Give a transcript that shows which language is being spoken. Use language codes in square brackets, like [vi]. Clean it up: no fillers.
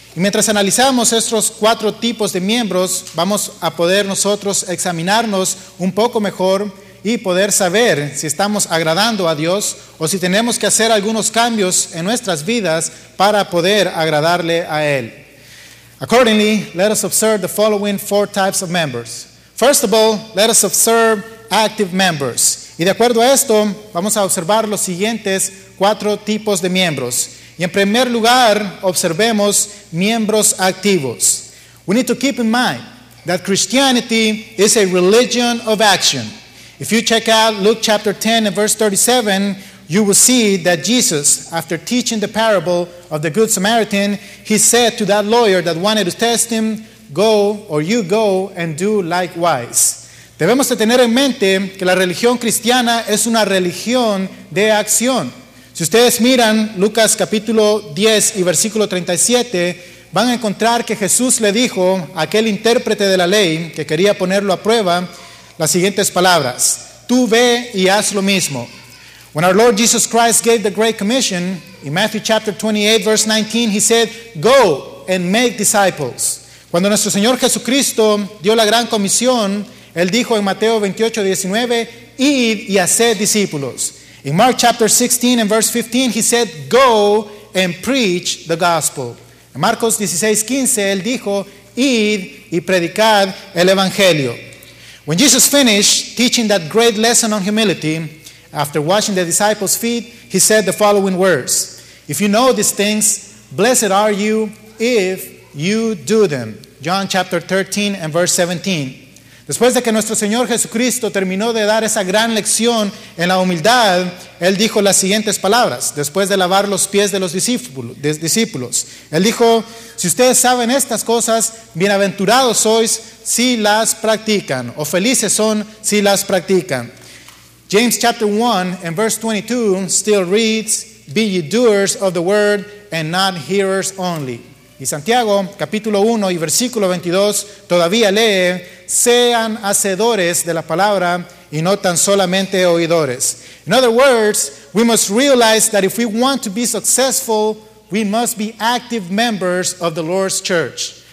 [es] Y mientras analizamos estos cuatro tipos de miembros, vamos a poder nosotros examinarnos un poco mejor y poder saber si estamos agradando a Dios o si tenemos que hacer algunos cambios en nuestras vidas para poder agradarle a Él. [en] Accordingly, let us observe the following four types of members. First of all, let us observe active members. [es] Y de acuerdo a esto, vamos a observar los siguientes cuatro tipos de miembros. Y en primer lugar, observemos miembros activos. [en] We need to keep in mind that Christianity is a religion of action. If you check out Luke chapter 10 and verse 37, you will see that Jesus, after teaching the parable of the Good Samaritan, he said to that lawyer that wanted to test him, "Go, or you go, and do likewise." [es] Debemos de tener en mente que la religión cristiana es una religión de acción. Si ustedes miran Lucas capítulo 10 y versículo 37, van a encontrar que Jesús le dijo a aquel intérprete de la ley que quería ponerlo a prueba las siguientes palabras: "Tú ve y haz lo mismo." [en] When our Lord Jesus Christ gave the Great Commission, in Matthew chapter 28 verse 19, he said, "Go and make disciples." [es] Cuando nuestro Señor Jesucristo dio la gran comisión, Él dijo en Mateo 28, 19, "Id y haced discípulos." [en] In Mark chapter 16 and verse 15, he said, "Go and preach the gospel." [es] En Marcos 16, 15, Él dijo, "Id y predicad el evangelio." [en] When Jesus finished teaching that great lesson on humility, after washing the disciples' feet, he said the following words: "If you know these things, blessed are you if you do them." John chapter 13 and verse 17. [es] Después de que nuestro Señor Jesucristo terminó de dar esa gran lección en la humildad, Él dijo las siguientes palabras, después de lavar los pies de los discípulos. Él dijo, "Si ustedes saben estas cosas, bienaventurados sois si las practican, o felices son si las practican." [en] James chapter 1 and verse 22 still reads, "Be ye doers of the word and not hearers only." [es] Y Santiago, capítulo 1 y versículo 22, todavía lee, "Sean hacedores de la palabra y no tan solamente oidores." [en] In other words, we must realize that if we want to be successful, we must be active members of the Lord's church.